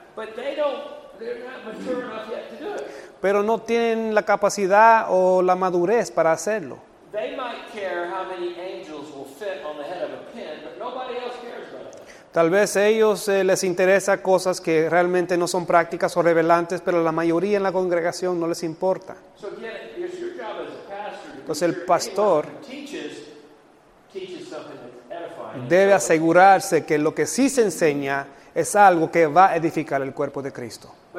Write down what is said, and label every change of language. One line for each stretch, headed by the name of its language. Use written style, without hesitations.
English: But they don't, they're not mature enough yet to do it.
Spanish: Pero no tienen la capacidad o la madurez para hacerlo.
English: They might care how many angels will fit on the head of a pin, but nobody else cares about it.
Spanish: Tal vez a ellos les interesa cosas que realmente no son prácticas o revelantes, pero la mayoría en la congregación no les importa.
English: So again, it's your job as a pastor.
Spanish: Entonces el pastor
English: teaches something.
Spanish: Debe asegurarse que lo que sí se enseña es algo que va a edificar el cuerpo de Cristo.